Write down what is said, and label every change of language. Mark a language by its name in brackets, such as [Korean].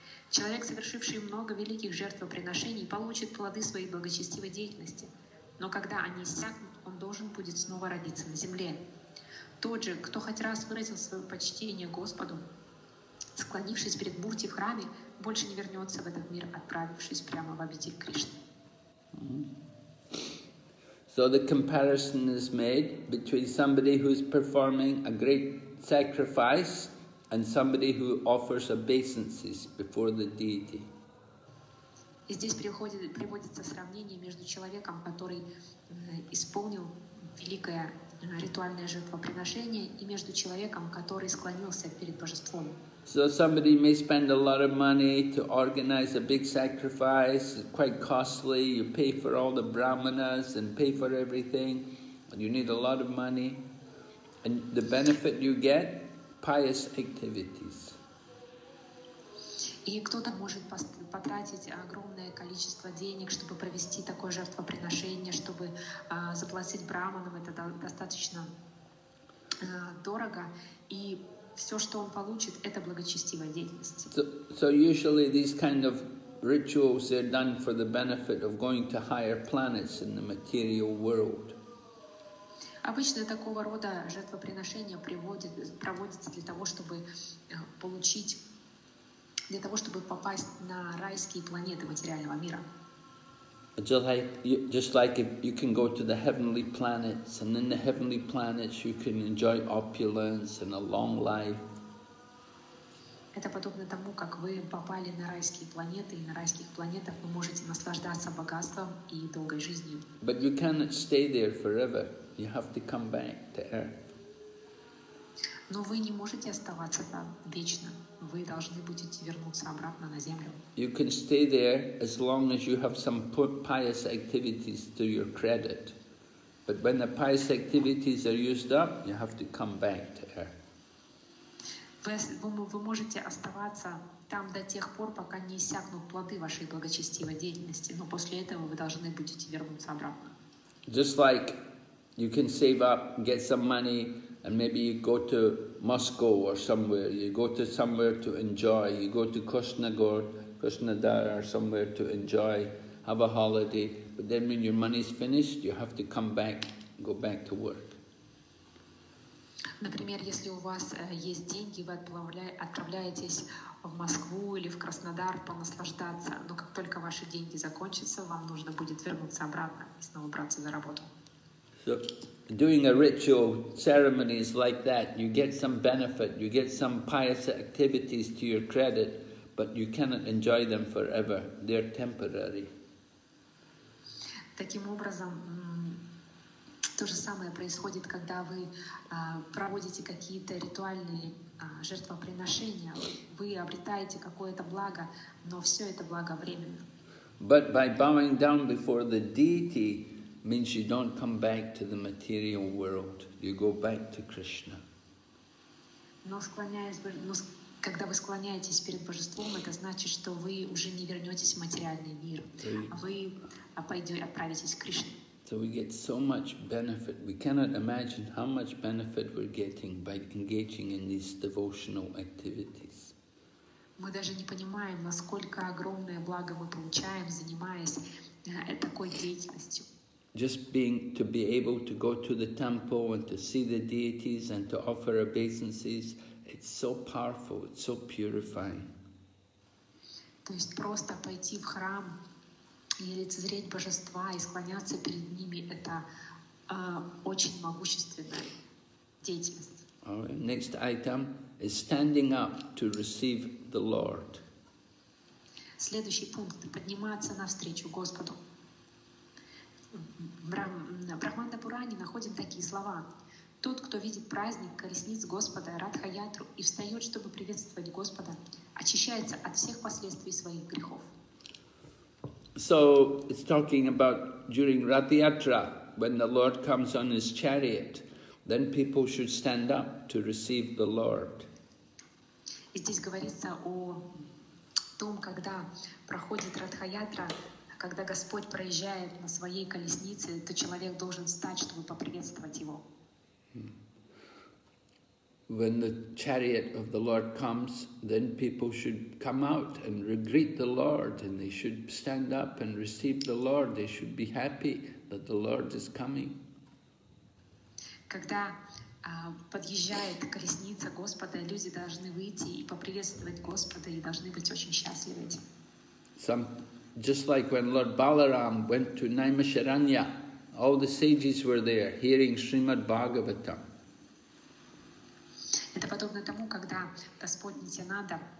[Russian] Человек, совершивший много великих жертвоприношений, получит плоды своей благочестивой деятельности. Но когда они иссякнут, он должен будет снова родиться на земле. Тот же, кто хоть раз выразил свое почтение Господу, склонившись перед Мурти в храме, больше не вернется в этот мир, отправившись прямо в обитель Кришны. [English] So the comparison is made between somebody who is performing a great sacrifice and somebody who offers obeisances before the deity. [Russian] И здесь приводится сравнение между человеком, который исполнил великое ритуальное жертвоприношение, и между человеком, который склонился перед божеством. [English] So somebody may spend a lot of money to organize a big sacrifice, quite costly. You pay for all the brahmanas and pay for everything, and you need a lot of money. And the benefit you get, pious activities. [Russian] И кто-то может потратить огромное количество денег, чтобы провести такое жертвоприношение, чтобы заплатить брахманам, это достаточно дорого. И все, что он получит, это благочестивая деятельность. [English] So usually these kind of rituals are done for the benefit of going to higher planets in the material world. [Russian] Обычно такого рода жертвоприношения проводятся для того, чтобы получить для того, чтобы попасть на райские планеты материального мира. [English] Just like if you can go to the heavenly planets, and in the heavenly planets you can enjoy opulence and a long life. [Russian] Это подобно тому, как вы попали на райские планеты, и на райских планетах вы можете наслаждаться богатством и долгой жизнью. [English] But you cannot stay there forever. You have to come back to Earth. [Russian] Но вы не можете оставаться там вечно. Вы должны будете вернуться обратно на землю. [English] You can stay there as long as you have some pious activities to your credit. But when the pious activities are used up, you have to come back to Earth. [Russian] Вы можете оставаться там до тех пор, пока не иссякнут плоды вашей благочестивой деятельности, но после этого вы должны будете вернуться обратно. [English] Just like you can save up, get some money, and maybe you go to Moscow or somewhere, you go to somewhere to enjoy, you go to Krasnodar or somewhere to enjoy, have a holiday, but then when your money's finished, you have to come back, go back to work. [Russian] Например, если у вас есть деньги, вы отправляетесь в Москву или в Краснодар понаслаждаться, но как только ваши деньги закончатся, вам нужно будет вернуться обратно и снова браться за работу. [English] So, doing a ritual ceremonies like that, you get some benefit, you get some pious activities to your credit, but you cannot enjoy them forever. They're temporary. [Russian] Таким образом, то же самое происходит, когда вы проводите какие-то ритуальные жертвоприношения. Вы обретаете какое-то благо, но все это благо временно. [English] But by bowing down before the deity, means you don't come back to the material world, you go back to Krishna. [Russian] Но когда вы склоняетесь перед божеством, это значит, что вы уже не вернетесь в материальный мир, отправитесь к Кришне. [English] So we get so much benefit. We cannot imagine how much benefit we're getting by engaging in these devotional activities. [Russian] Мы даже не понимаем, насколько огромное благо мы получаем, занимаясь такой деятельностью. [English] Just being to be able to go to the temple and to see the deities and to offer obeisances, it's so powerful, it's so purifying. [Russian] То есть просто пойти в храм и лицезреть божества и склоняться перед ними, это очень могущественная деятельность. [English] All right. Next item is standing up to receive the Lord. [Russian] Следующий пункт – подниматься навстречу Господу. Брахманда Пуране находим такие слова. Тот, кто видит праздник колесниц Господа Радха-Ятру и встает, чтобы приветствовать Господа, очищается от всех последствий своих грехов. [English] So, it's talking about during Radha-Yatra, when the Lord comes on his chariot, then people should stand up to receive the Lord. [Russian] И здесь говорится о том, когда проходит Радха-Ятра, когда Господь проезжает на своей колеснице, то человек должен встать, чтобы поприветствовать Его. [English] When the chariot of the Lord comes, then people should come out and greet the Lord, and they should stand up and receive the Lord. They should be happy that the Lord is coming. [Russian] Когда подъезжает колесница Господа, люди должны выйти и поприветствовать Господа, и должны быть очень счастливы этим. [English] Just like when Lord Balaram went to Naimisharanya, all the sages were there hearing Srimad Bhagavatam. [Russian] Это подобно тому, когда Господь Нитянанда